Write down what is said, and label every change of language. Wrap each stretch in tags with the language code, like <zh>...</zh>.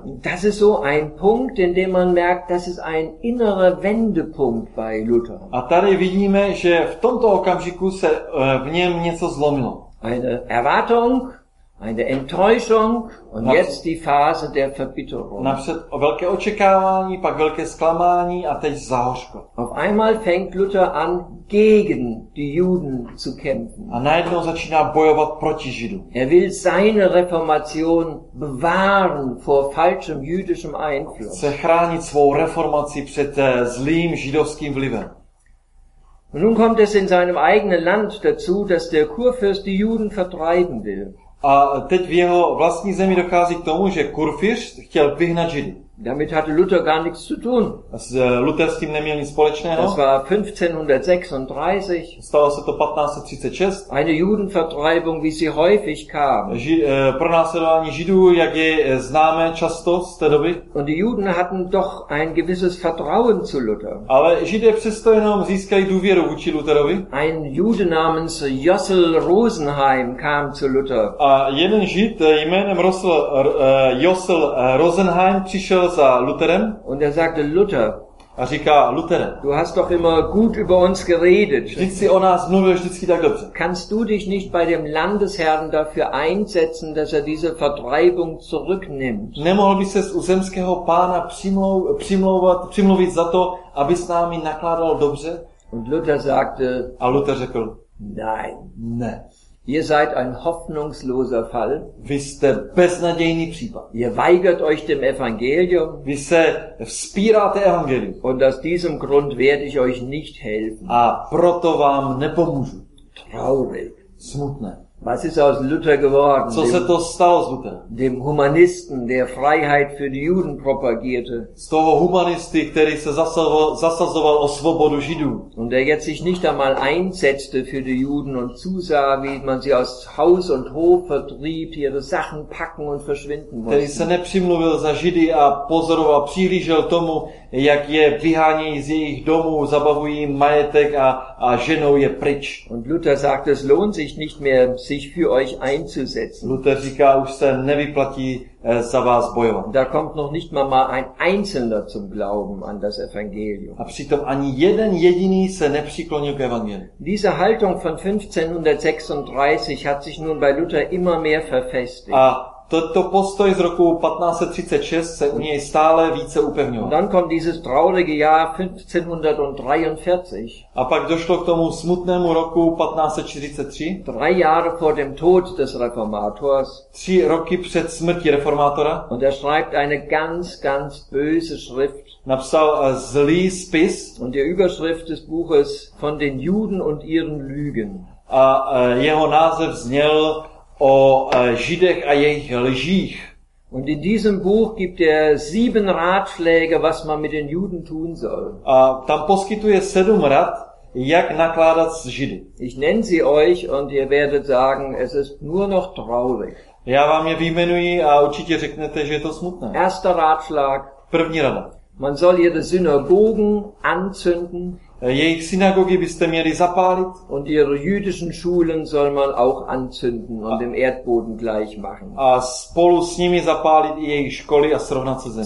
<de>Das ist so ein Punkt, in dem man merkt, das ist ein innerer Wendepunkt bei Luther.</de> <cs>A tady vidíme, že v tomto okamžiku se v něm něco zlomilo.</cs> <de>Eine Erwartung, eine Enttäuschung und jetzt die Phase der Verbitterung.</de> <cs>Napřed velké očekávání, pak velké zklamání a teď zahořko.</cs> <de>Auf einmal fängt Luther an, gegen die Juden zu kämpfen.</de> <cs>A najednou začíná bojovat proti Židům.</cs> <de>Er will seine Reformation bewahren vor falschem jüdischem Einfluss.</de> <cs>Chce chránit svou reformaci před zlým židovským vlivem.</cs> <de>Und nun kommt es in seinem eigenen Land dazu, dass der Kurfürst die Juden vertreiben will.</de> <cs>A teď v jeho vlastní zemi dochází k tomu, že Kurfürst chtěl vyhnat Židy.</cs> <de>Damit hatte Luther gar nichts zu tun.</de> <cs>Luther s tím neměl nic společného.</cs> <de>Das war 1536.</de> <cs>Stalo se to 1536.</cs> <de>Eine Judenvertreibung, wie sie häufig kam.</de> <cs>Pronásledování Židů, jak je známe často z té doby.</cs> <de>Und die Juden hatten doch ein gewisses Vertrauen zu Luther.</de> <cs>Ale Židé přesto jenom získali důvěru vůči Lutherovi.</cs> <de>Ein Jude namens Jossel Rosenheim kam zu Luther.</de> <cs>A jeden Žid jménem Jossel Rosenheim přišel za Lutherem.</cs> <de>Und er sagte, Luther,</de> <cs>a říká, Luther,</cs> <de>du hast doch immer gut über uns geredet.</de> <cs>Vždycky o nás mluvil, vždycky tak dobře.</cs> <de>Kannst du dich nicht bei dem Landesherrn dafür einsetzen, dass er diese Vertreibung zurücknimmt?</de> <cs>Nemohl bys ses u zemského pána přimlouvit za to, aby s námi nakládal dobře?</cs> <de>Und Luther sagte,</de> <cs>a Luther řekl,</cs> <de>nein.</de> <cs>Ne.</cs> <de>Ihr seid ein hoffnungsloser Fall.</de> <cs>Vy jste beznadějný případ.</cs> <de>Ihr weigert euch dem Evangelium.</de> <cs>Vy se vzpíráte evangelium.</cs> <de>Und aus diesem Grund werde ich euch nicht helfen.</de> <cs>A proto vám nepomůžu.</cs> <de>Traurig.</de> <cs>Smutné.</cs> <de>Was ist aus Luther geworden?</de> <cs>Co se to stalo s Luther?</cs> <de>Dem Humanisten, der Freiheit für die Juden propagierte.</de> <cs>Z toho humanisty, který se zasazoval o svobodu Židů.</cs> <de>Und der jetzt sich nicht einmal einsetzte für die Juden und zusah, wie man sie aus Haus und Hof vertrieb, ihre Sachen packen und verschwinden mussten.</de> <cs>Který se nepřimluvil za Židy a pozoroval, přihlížel tomu, jak je vyhání z jejich domů, zabavují jim majetek a ženou je pryč.</cs> <de>Und Luther sagt, es lohnt sich nicht mehr, sich für euch einzusetzen.</de> <cs>Luther říká, už se nevyplatí za vás bojovat.</cs> <de>Da kommt noch nicht mal ein Einzelner zum Glauben an das Evangelium.</de> <cs>A přitom ani jeden jediný se nepřiklonil k evangeliu.</cs> <de>Diese Haltung von 1536 hat sich nun bei Luther immer mehr verfestigt.</de> <cs>A toto postoj z roku 1536 se u něj stále více upevňoval.</cs> <de>Dann kommt dieses traurige Jahr 1543.</de> <cs>A pak došlo k tomu smutnému roku 1543.</cs> <de>3 Jahre vor dem Tod des Reformators.</de> <cs>3 roky před smrtí reformátora.</cs> <de>Und er schreibt eine ganz, ganz böse Schrift.</de> <cs>Napsal zlý spis.</cs> <de>Und die Überschrift des Buches von den Juden und ihren Lügen.</de> <cs>A jeho název zněl o Židech a jejich lžích.</cs> <de>Und in diesem Buch gibt er 7 Ratschläge, was man mit den Juden tun soll.</de> <cs>A tam poskytuje 7 rad, jak nakládat s Židy.</cs> <de>Ich nenne sie euch und ihr werdet sagen, es ist nur noch traurig.</de> <cs>Já vám je vyjmenuji a určitě řeknete, že je to smutné.</cs> <de>Erster Ratschlag.</de> <cs>První rada.</cs> <de>Man soll ihre Synagogen anzünden.</de> <cs>Jejich synagogy byste měli zapálit.</cs> <de>Und ihre jüdischen Schulen soll man auch anzünden und dem Erdboden gleich machen.</de> <cs>A spolu s nimi zapálit i jejich školy a srovnat se zemí.</cs>